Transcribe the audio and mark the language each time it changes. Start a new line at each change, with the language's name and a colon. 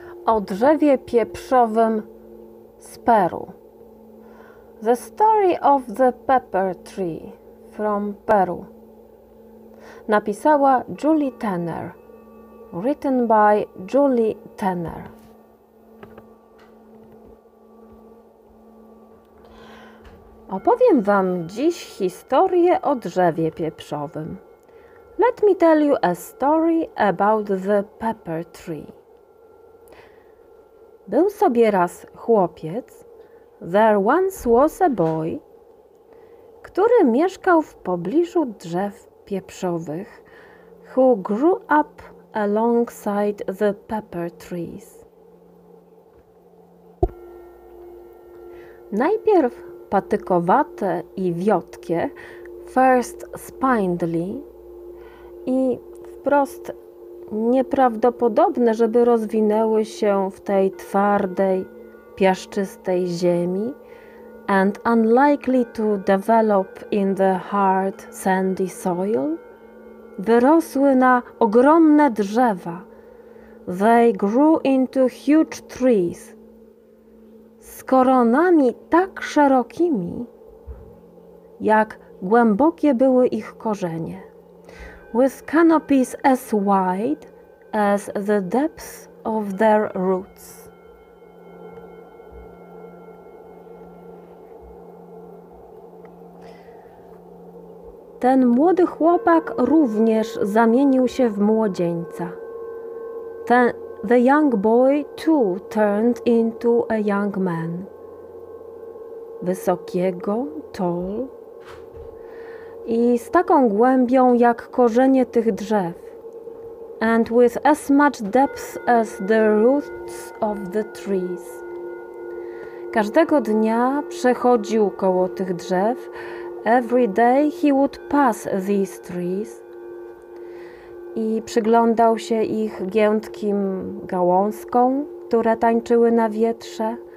Polish: o drzewie pieprzowym z Peru.
English: The Story of the Pepper Tree from Peru.
Polish: Napisała Julie Tanner.
English: Written by Julie Tanner.
Polish: Opowiem wam dziś historię o drzewie pieprzowym.
English: Let me tell you a story about the pepper tree.
Polish: Był sobie raz chłopiec,
English: there once was a boy,
Polish: który mieszkał w pobliżu drzew pieprzowych,
English: who grew up alongside the pepper trees.
Polish: Najpierw patykowate i wiotkie,
English: first spindly,
Polish: i wprost nieprawdopodobne, żeby rozwinęły się w tej twardej, piaszczystej ziemi,
English: and unlikely to develop in the hard, sandy soil,
Polish: wyrosły na ogromne drzewa.
English: They grew into huge trees.
Polish: Z koronami tak szerokimi, jak głębokie były ich korzenie.
English: With canopies as wide as the depth of their roots.
Polish: Ten młody chłopak również zamienił się w młodzieńca.
English: The young boy too turned into a young man.
Polish: Wysokiego, tall i z taką głębią jak korzenie tych drzew.
English: And with as much depth as the roots of the trees.
Polish: Każdego dnia przechodził koło tych drzew.
English: Every day he would pass these trees
Polish: i przyglądał się ich giętkim gałązkom, które tańczyły na wietrze.